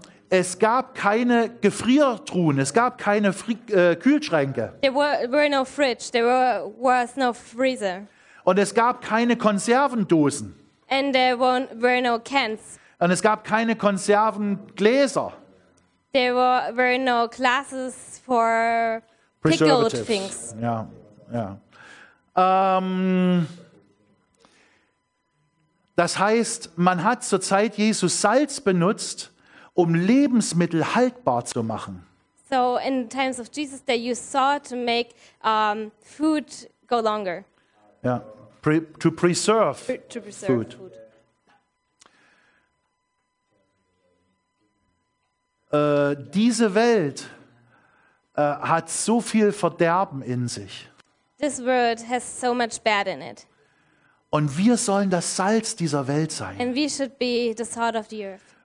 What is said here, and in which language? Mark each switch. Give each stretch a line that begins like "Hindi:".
German: Es gab keine Gefriertruhen, es gab keine Kühlschränke.
English: There were no fridge, there was no freezer.
German: Und es gab keine Konservendosen.
English: And there were no cans.
German: Und es gab keine Konservengläser.
English: There were no glasses for pickled things.
German: Ja, ja. Das heißt, man hat zur Zeit Jesu Salz benutzt, um Lebensmittel haltbar zu machen.
English: So in times of Jesus, they used salt to make food go longer. Ja, to preserve food.
German: Diese Welt hat so viel Verderben in sich.
English: This world has so much bad in it.
German: Und wir sollen das Salz dieser Welt sein.
English: And we should be the salt of the earth.